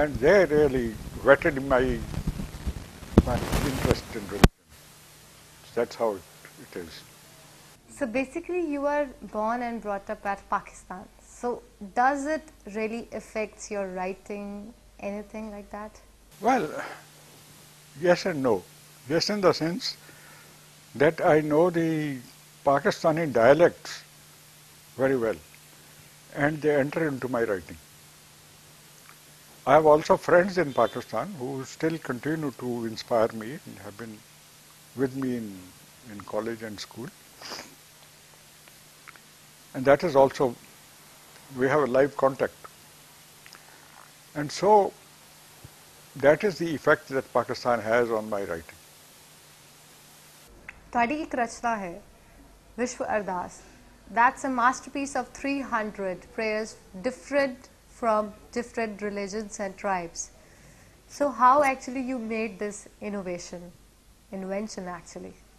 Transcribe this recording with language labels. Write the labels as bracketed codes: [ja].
[en] And they really whetted my interest in religion. That's how it is. So basically you are born and brought up at Pakistan, so does it really effects your writing, anything like that? Well, yes and no. Yes, in the sense that I know the Pakistani dialects very well and they enter into my writing. I have also friends in Pakistan who still continue to inspire me and have been with me in college and school. And that is also, we have a live contact. And so that is the effect that Pakistan has on my writing. [pa] ਤੁਹਾਡੀ ਇੱਕ ਰਚਨਾ ਹੈ ਵਿਸ਼ਵ ਅਰਦਾਸ, [en] That's a masterpiece of 300 prayers different from different religions and tribes, so how actually you made this innovation invention actually?